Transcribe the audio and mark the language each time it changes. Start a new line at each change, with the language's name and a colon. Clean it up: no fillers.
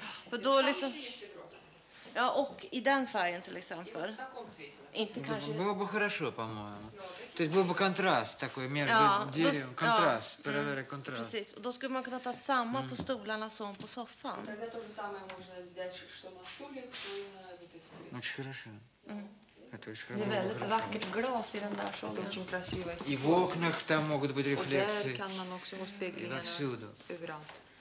Swedish: För då liksom, ja, och i den färgen till exempel. Inte kanske.
Russian: Было бы хорошо, по-моему. То есть был бы контраст такой между деревом. Контраст. Проверить контраст.
Swedish: Precis. Och då skulle man kunna ta samma på stolarna som på soffan.
Russian: Тогда то же самое можно сделать, что на стуле, то и на... Очень хорошо. Это очень хорошо.
Swedish: Det är väldigt vackert glas i den där soffan.
Russian: И в окнах там могут быть рефлексы.
Swedish: Och där kan man också ha speglingar överallt.